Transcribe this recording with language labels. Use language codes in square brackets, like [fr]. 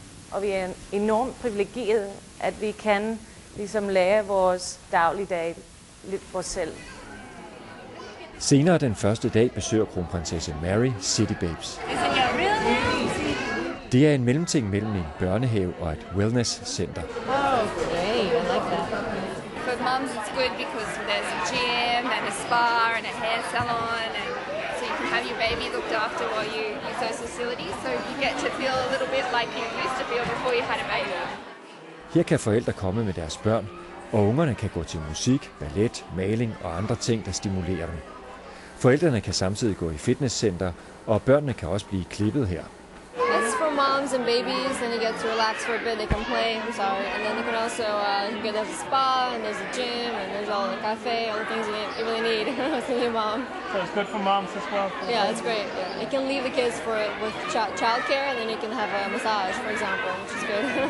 [da] Og vi er enormt privilegeret, at vi kan ligesom lære vores dagligdag lidt for selv. Senere den første dag besøger kronprinsesse Mary City Babes. Det er en mellemting mellem en børnehave og et wellness center. [en] Mom's it's good because there's a gym and a spa and a hair salon, and so you can have your baby looked after while you use those facilities. So you get to feel a little bit like you used to feel before you had a baby. [da] Her kan forældre komme med deres børn, og ungerne kan gå til musik, ballet, maling og andre ting, der stimulerer dem. Forældrene kan samtidig gå i fitnesscenter, og børnene kan også blive klippet her. [en] Moms and babies, then you get to relax for a bit, they can play, I'm sorry. And then they can also get a spa, and there's a gym, and there's all the cafe, all the things you really need as a new mom. So it's good for moms as well? Yeah, it's great. Yeah. You can leave the kids with child care, and then you can have a massage, for example, which is good.